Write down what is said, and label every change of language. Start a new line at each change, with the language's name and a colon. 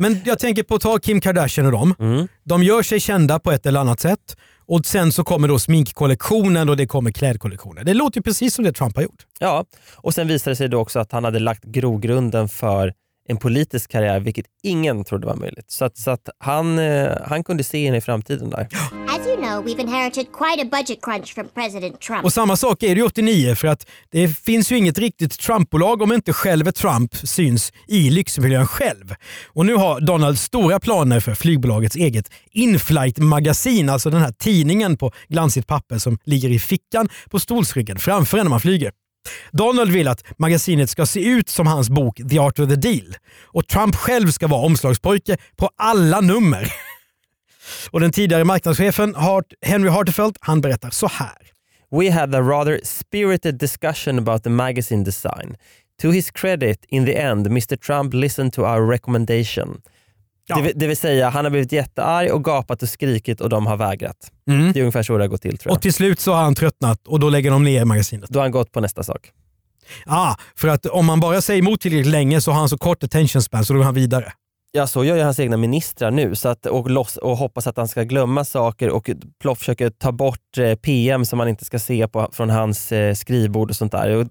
Swedish: Men jag tänker på att ta Kim Kardashian och dem. Mm. De gör sig kända på ett eller annat sätt. Och sen så kommer då sminkkollektionen och det kommer klädkollektionen. Det låter ju precis som det Trump har gjort. Ja, och sen visade det sig då också att han hade lagt grogrunden för en politisk karriär, vilket ingen trodde var möjligt. Så att han kunde se in i framtiden där.
English: As you know, we've inherited quite a budget crunch from President Trump.
Swedish: Och samma sak är det 89, för att det finns ju inget riktigt Trump-bolag om inte själv Trump syns i lyxmiljön själv. Och nu har Donald stora planer för flygbolagets eget in-flight-magasin, alltså den här tidningen på glansigt papper som ligger i fickan på stolsryggen framför när man flyger. Donald vill att magasinet ska se ut som hans bok The Art of the Deal, och Trump själv ska vara omslagspojke på alla nummer. Och den tidigare marknadschefen Henry Hartefelt, han berättar så här.
English: We had a rather spirited discussion about the magazine design. To his credit, in the end, Mr. Trump listened to our recommendation.
Swedish: Ja. Det vill säga, han har blivit jättearg och gapat och skrikit och de har vägrat. Mm. Det är ungefär så det har gått till, tror jag. Och till slut så har han tröttnat och då lägger de ner magasinet. Då har han gått på nästa sak. Ja, ah, för att om man bara säger emot tillräckligt länge så har han så kort attention span så då går han vidare. Ja, så gör ju hans egna ministrar nu så att, och hoppas att han ska glömma saker och försöker ta bort PM som man inte ska se på från hans skrivbord och sånt där.